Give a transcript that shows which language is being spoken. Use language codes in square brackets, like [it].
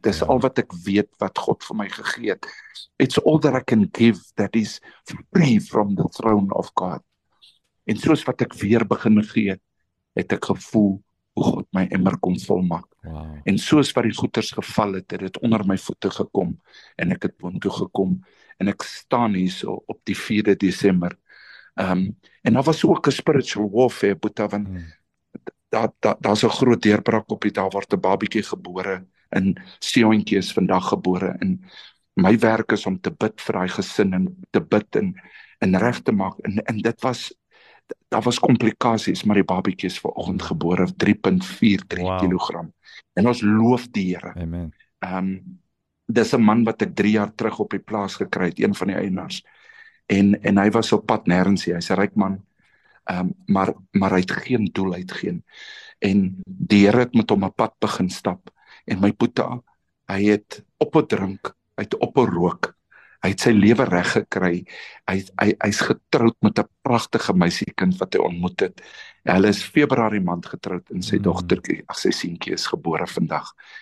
[af] Dis al wat ek weet wat God vir my gegee het. [en] It's all that I can give that is free from the throne of God. [af] En soos wat ek weer begin gee, het ek gevoel hoe God my emmer kon volmaak. Wow. En soos wat die goeders geval het, het dit onder my voete gekom en ek het boontoe gekom en ek staan hier so op die 4de Desember. En daar was ook 'n spiritual warfare, Boeta, want daar's 'n groot deurbraak op die dag waar 'n babietjie gebore en seuntjie is vandag gebore en my werk is om te bid vir daai gesin en te bid en reg te maak en dit was daar was komplikasies, maar die babietjie is vanoggend gebore, 3.43 wow. kg. En ons loof die Here. Amen. Dis 'n man wat ek 3 jaar terug op die plaas gekry het, een van die eienaars. En hy was op pad nêrens hier. Hy's 'n ryk man. Maar hy het geen doel, hy het geen. En die Here het met hom 'n pad begin stap. En my poeta, hy het op 'n drink, hy het op 'n rook. Hy het sy lewe reg gekry. Hy's getroud met 'n pragtige meisiekind wat hy ontmoet het. Hulle is Februarie maand getroud en sy dogtertjie, ag sy seentjie is gebore vandag.